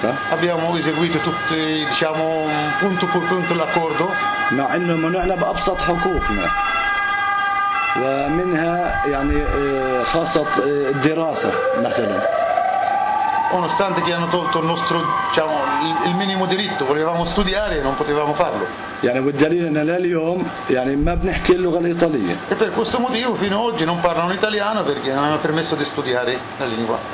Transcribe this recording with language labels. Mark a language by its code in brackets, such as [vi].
[it] Abbiamo eseguito tutti diciamo punto per punto l'accordo. [ar] مع انه منعنا بابسط حقوقنا ومنها يعني خاصه الدراسه مثلا [it] nonostante che hanno tolto il nostro diciamo il minimo diritto volevamo studiare non potevamo farlo [ar] يعني والدليل ان لليوم يعني ما بنحكي اللغه الايطاليه [it] e per questo motivo fino ad oggi non parlano italiano perché non hanno permesso di studiare la lingua